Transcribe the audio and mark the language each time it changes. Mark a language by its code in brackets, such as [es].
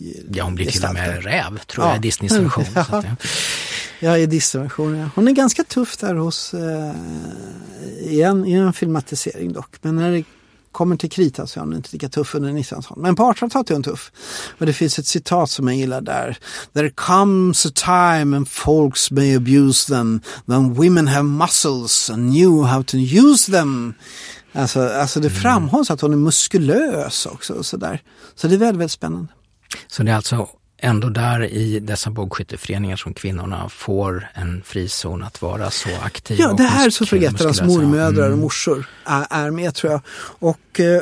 [sv] Ja, hon blir till och med räv, tror jag, i Disneys version. I Disneys version. Ja. Hon är ganska tuff där hos i en filmatisering dock. Men när det kommer till krita så är hon inte lika tuff under 1900-talet. Men på 1800-talet är hon tuff. Och det finns ett citat som jag gillar där. [en] There comes a time and folks may abuse them when women have muscles and knew how to use them. [sv] Alltså det framhålls att hon är muskulös också och sådär. Så det är väldigt, väldigt spännande. Så det är alltså ändå där i dessa bågskytteföreningar som kvinnorna får en frizon att vara så aktiva. Ja, det här är så förgättarnas mormödrar och morsor är med, tror jag. Och